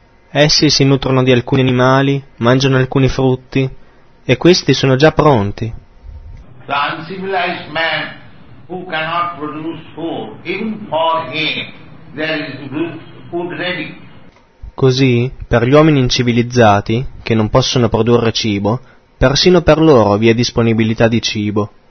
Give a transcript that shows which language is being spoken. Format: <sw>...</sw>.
<it>Essi si nutrono di alcuni animali, mangiano alcuni frutti, e questi sono già pronti.</it> <en>The uncivilized man who cannot produce food, even for him, there is food ready.</en> <it>Così, per gli uomini incivilizzati, che non possono produrre cibo, persino per loro vi è disponibilità di cibo.</it>